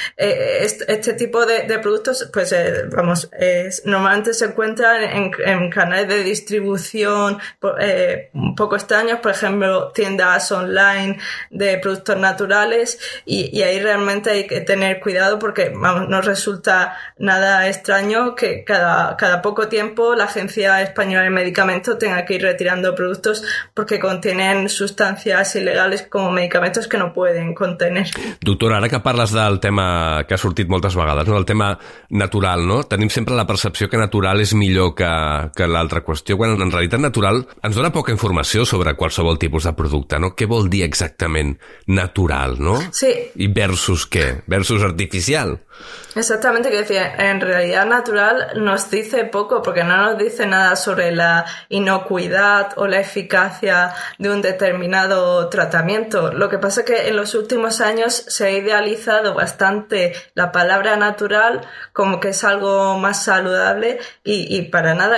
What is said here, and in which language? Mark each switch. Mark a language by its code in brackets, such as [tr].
[es] Este tipo de productos, pues normalmente se encuentran en canales de distribución un poco extraños, por ejemplo tiendas online de productos naturales, y ahí realmente hay que tener cuidado, porque no resulta nada extraño que cada poco tiempo la Agencia Española del Medicamento tenga que ir retirando productos porque contienen sustancias ilegales como medicamentos que no pueden contener. [ca] Doctora, ara que parles del tema que ha sortit moltes vegades, no? El tema natural, no? Tenim sempre la percepció que natural és millor que l'altra qüestió, quan en realitat natural ens dona poca informació sobre qualsevol tipus de producte, no? Què vol dir exactament natural, no? Sí. I versus què? Versus artificial. [es] Exactamente, que decía, en realidad natural nos dice poco, porque no nos dice nada sobre la inocuidad o la eficacia de un determinado tratamiento. Lo que pasa es que en los últimos años se ha idealizado bastante la palabra natural como que es algo más saludable, y para nada.